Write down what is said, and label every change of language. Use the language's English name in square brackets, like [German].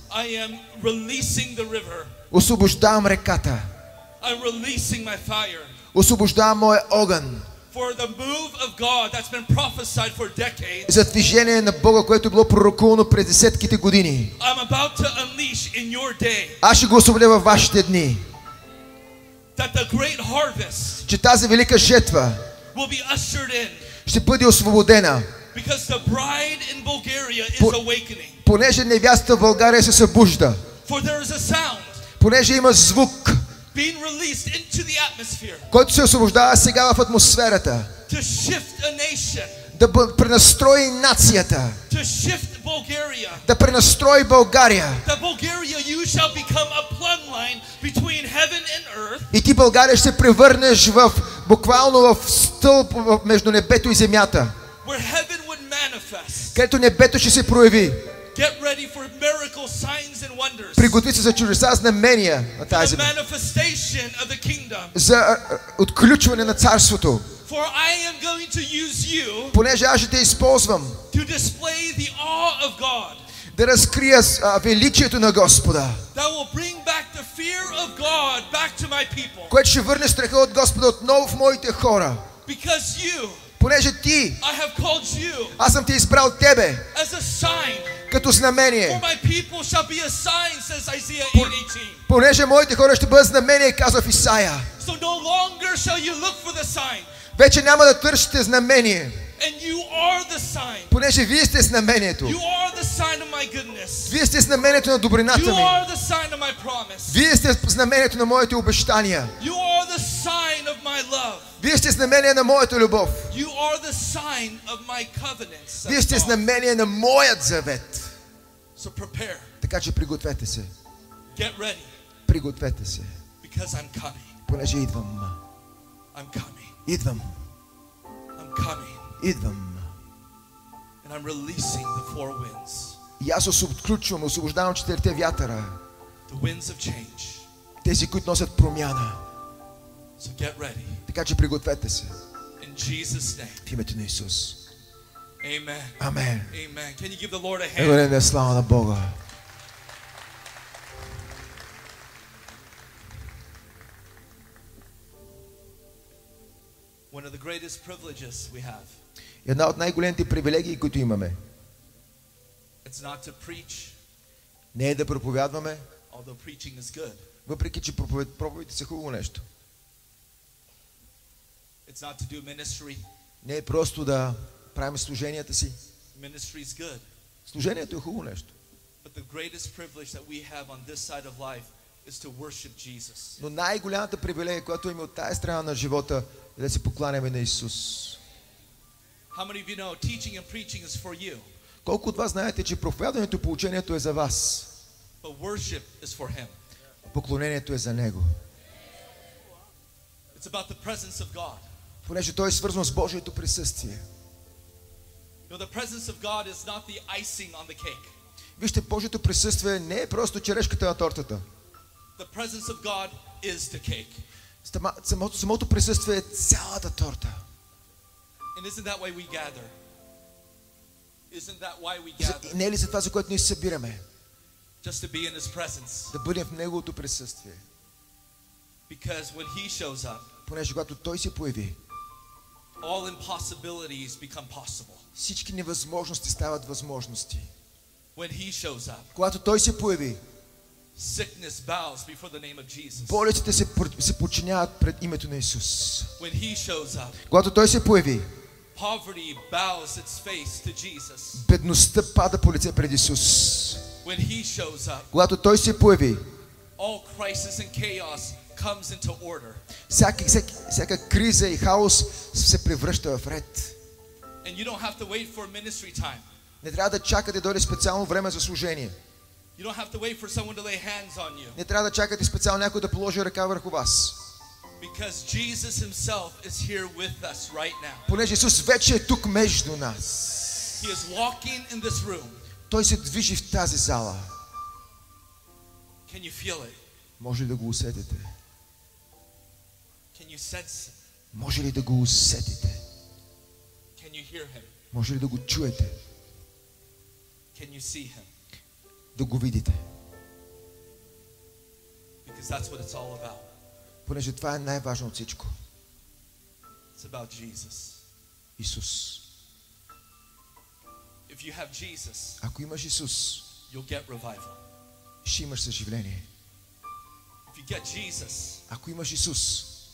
[English] I am releasing the river. [Bulgarian] Освобождавам реката. [English] I'm releasing my fire. [Bulgarian] Освобождавам моя огън. [English] For the move of God that's been prophesied for decades. [Bulgarian] За движение на Бога, което било пророкувано през десетките години. [English] I'm about to unleash in your day. [Bulgarian] Аз ще го освободя във вашите дни. [English] That the great harvest. [Bulgarian] Че тази велика жетва. [English] Will be ushered in. [Bulgarian] Ще бъде освободена. [English] Because the bride in Bulgaria is awakening. [Bulgarian] Понеже невяста в България се събужда. [English] For there is a sound. [Bulgarian] Понеже има звук. [English] Being released into the atmosphere. [Bulgarian] Който се освобождава сега в атмосферата. [English] To shift a nation. [Bulgarian] Да пренастрои нацията. [English] To shift Bulgaria. [Bulgarian] Да пренастрои България. [English] That Bulgaria you shall become a plumb line between heaven and earth. [Bulgarian] И ти, България, ще се превърнеш в буквално в стълб между небето и земята. [English] Where heaven would manifest. [Bulgarian] Където небето ще се прояви. [English] Get ready for miracle signs and wonders. [Bulgarian] Приготви се за чудеса, знамения на тази земя. [English] The manifestation of the kingdom. [Bulgarian] За отключване на царството. [English] For I am going to use you. [Bulgarian] Понеже аз ще те използвам. [English] To display the awe of God. [Bulgarian] Да разкрия величието на Господа. [English] That will bring back the fear of God back to my people. [Bulgarian] Което ще върне страха от Господа отново в моите хора. [English] Because you. [Bulgarian] Понеже ти, [English] I have called you, [Bulgarian] аз съм ти избрал тебе [English] as a sign, [Bulgarian] като знамение. [English] For my people shall be a sign, says Isaiah 18. [Bulgarian] Понеже моите хора ще бъдат знамение, казва в Исаия. [English] So no longer shall you look for the sign. [Bulgarian] Вече няма да търсите знамение. [English] And you are the sign. [Bulgarian] Понеже вие сте знамението. [English] You are the sign of my goodness. [Bulgarian] Вие сте знамението на добрината ми. [English] You are the sign of my promise. [Bulgarian] Вие сте знамението на моите обещания. [English] You are the sign of my love. [Bulgarian] Вие сте знамение на моята любов. [English] You are the sign of my covenant. [Bulgarian] Вие сте знамение на моят завет. [English] So prepare. [Bulgarian] Така че пригответе се. [English] Get ready. [Bulgarian] Пригответе се. [English] Because I'm coming. [Bulgarian] Понеже идвам. [English] I'm coming. [Bulgarian] Идвам. [English] I'm coming. [Bulgarian] Идвам. [English] And I'm releasing the four winds. [Bulgarian] И аз отключвам, освобождавам четирите вятъра. [English] The winds of change. [Bulgarian] Тези, които носят промяна. [English] So get ready. [Bulgarian] Така че пригответе се. [English] In Jesus name. [Bulgarian] В името на Исус. [English] Amen. [Bulgarian] Амен. [English] Amen. Can you give the Lord a hand? [Bulgarian] Ей, слава на Бога. [English] One of the greatest privileges we have. [Bulgarian] Една от най-големите привилегии, които имаме. [English] It's not to preach. [Bulgarian] Не е да проповядваме. [English] Although preaching is good. [Bulgarian] Въпреки че проповедите са хубаво нещо. [English] It's not to do ministry. [Bulgarian] Не е просто да правим служенията си. [English] Ministry is good. [Bulgarian] Служението е хубаво нещо. [English] But the greatest privilege that we have on this side of life is to worship Jesus. [Bulgarian] Но най-голямата привилегия, която имаме от тази страна на живота, е да се покланяме на Исус. [English] How many of you know teaching and preaching is for you? [Bulgarian] Колко от вас знаете, че проповядването и поучението е за вас? [English] But worship is for him. [Bulgarian] Поклонението е за него. [English] It's about the presence of God. [Bulgarian] Понеже той е свързан с Божието присъствие. [English] No, the presence of God is not the icing on the cake. [Bulgarian] Вижте, Божието присъствие не е просто черешката на тортата. [English] The presence of God is the cake. [Bulgarian] Самото присъствие е цялата торта. [English] And isn't that why we gather? Isn't that why we gather? [Bulgarian] Не ли за това, за което ние се събираме? [English] Just to be in his presence. [Bulgarian] Да бъдем в неговото присъствие. [English] Because when he shows up, [Bulgarian] понеже когато той се появи, [English] all impossibilities become possible. [Bulgarian] Всички невъзможности стават възможности. [English] When he shows up, [Bulgarian] когато той се появи, [English] sickness bows before the name of Jesus. [Bulgarian] Болестите се подчиняват пред името на Исус. [English] When he shows up, [Bulgarian] когато той се появи, [English] poverty bows its face to Jesus. [Bulgarian] Бедността пада по лице пред Исус. [English] When he shows up, [Bulgarian] когато той се появи, [English] all crisis and chaos comes into order. [Bulgarian] Всяка криза и хаос се превръща в ред. [English] And you don't have to wait for ministry time. [Bulgarian] Не трябва да чакате дойде специално време за служение. [English] You don't have to wait for someone to lay hands on you. [Bulgarian] Не трябва да чакате специално някой да положи ръка върху вас. [English] Because Jesus himself is here with us right now. [Bulgarian] Понеже Исус вече е тук между нас. [English] He is walking in this room. [Bulgarian] Той се движи в тази зала. [English] Can you feel it? [Bulgarian] Може ли да го усетите? [English] Can you sense? [Bulgarian] Може ли да го усетите? [English] Can you hear him? [Bulgarian] Може ли да го чуете? [English] Can you see him? [Bulgarian] Да го видите. [English] Because that's what it's all about. [Bulgarian] Понеже това е най-важно от всичко. [English] It's about Jesus. [Bulgarian] Исус. [English] If you have Jesus, [Bulgarian] ако имаш Исус, [English] you'll get revival. [Bulgarian] Ще имаш съживление. [English] If you get Jesus, [Bulgarian] ако имаш Исус,